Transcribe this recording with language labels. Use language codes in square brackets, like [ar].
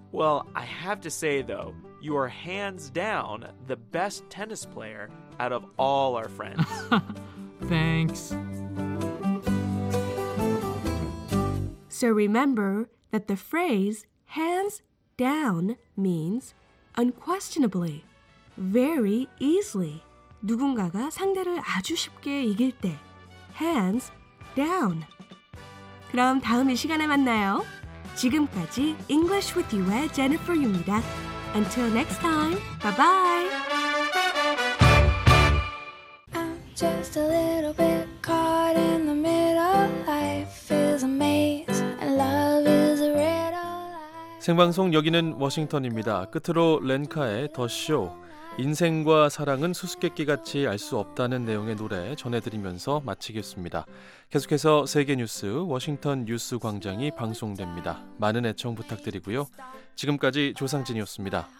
[en] Well, I have to say, though, you are hands down the best tennis player out of all our friends. Thanks. So remember that the phrase hands down means unquestionably, very easily. [ko] 누군가가 상대를 아주 쉽게 이길 때. [en] Hands down. [ko] 그럼 다음 이 시간에 만나요. 지금까지 English with you의 Jennifer입니다. [en] Until next time, bye-bye. I'm just a little bit caught in the middle. Life is a maze and love is a riddle. [ko] 생방송 여기는 워싱턴입니다. 끝으로 렌카의 The Show. 인생과 사랑은 수수께끼 같이 알 수 없다는 내용의 노래 전해드리면서 마치겠습니다. 계속해서 세계뉴스 워싱턴 뉴스 광장이 방송됩니다. 많은 애청 부탁드리고요. 지금까지 조상진이었습니다.